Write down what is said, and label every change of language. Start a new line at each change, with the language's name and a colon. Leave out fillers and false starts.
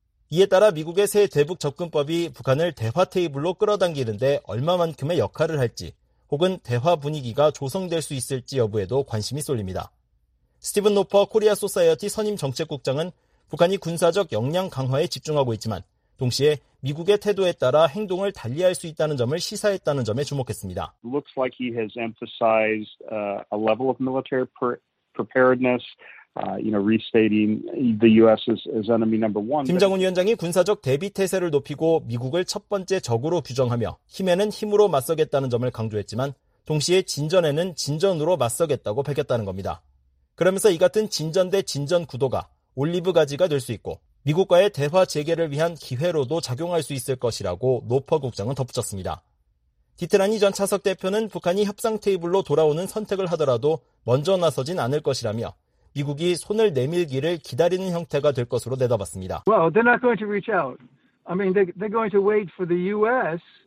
Korean: 이에 따라 미국의 새 대북 접근법이 북한을 대화 테이블로 끌어당기는데 얼마만큼의 역할을 할지 혹은 대화 분위기가 조성될 수 있을지 여부에도 관심이 쏠립니다. 스티븐 노퍼 코리아 소사이어티 선임 정책국장은 북한이 군사적 역량 강화에 집중하고 있지만 동시에 미국의 태도에 따라 행동을 달리할 수 있다는 점을 시사했다는 점에 주목했습니다.
English: Looks like he has emphasized a level of military preparedness, you know, restating the U.S. as enemy number one.
Korean: 김정은 위원장이 군사적 대비 태세를 높이고 미국을 첫 번째 적으로 규정하며 힘에는 힘으로 맞서겠다는 점을 강조했지만 동시에 진전에는 진전으로 맞서겠다고 밝혔다는 겁니다. 그러면서 이 같은 진전 대 진전 구도가 올리브 가지가 될 수 있고 미국과의 대화 재개를 위한 기회로도 작용할 수 있을 것이라고 노퍼 국장은 덧붙였습니다. 디트라니 전 차석 대표는 북한이 협상 테이블로 돌아오는 선택을 하더라도 먼저 나서진 않을 것이라며 미국이 손을 내밀기를 기다리는 형태가 될 것으로 내다봤습니다.
English: Well, they're not going to reach out. I mean, they're going to wait for the U.S.